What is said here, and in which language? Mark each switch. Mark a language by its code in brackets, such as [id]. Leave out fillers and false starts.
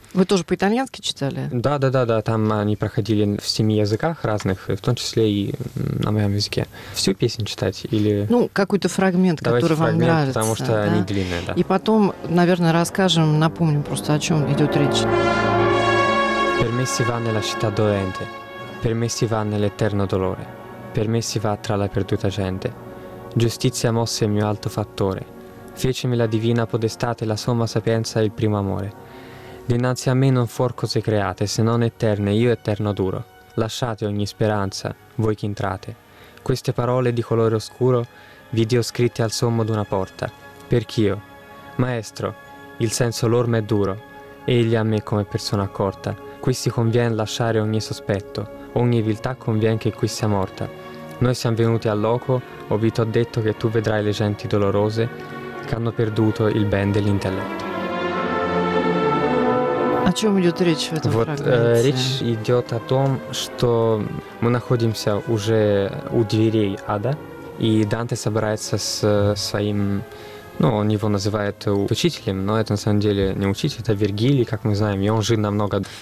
[ru] Вы тоже по-итальянски читали? Да. Там они проходили в 7 языках разных, в том числе и на моем языке. Всю песню читать или... Ну, какой-то фрагмент, который вам нравится. Давайте фрагмент, потому что они длинные, да. И потом, наверное, расскажем, напомним просто, о чем идет речь. [it] Per me si va nella città dolente, per me si va nell'eterno dolore, per me si va tra la perduta gente. Giustizia mosse il mio alto fattore, fecemi la divina podestate, la somma sapienza e il primo amore. Dinanzi a me non fuor cose create, se non eterne, io eterno duro. Lasciate ogni speranza, voi che entrate. Queste parole di colore oscuro vi dio scritte al sommo d'una porta. Perch'io, maestro, il senso l'orma è duro, egli a me come persona accorta. Qui si conviene lasciare ogni sospetto, ogni viltà conviene che qui sia morta. Noi siamo venuti al loco, o vi t'ho detto che tu vedrai le genti dolorose che hanno perduto il ben dell'intelletto. [ru] О чем идет речь в этом фрагменте? Речь идет о том, что мы находимся уже у дверей ада, и Данте собирается с своим... Ну, он его называет учителем, но это на самом деле не учитель, это Вергилий, как мы знаем. И он жил намного...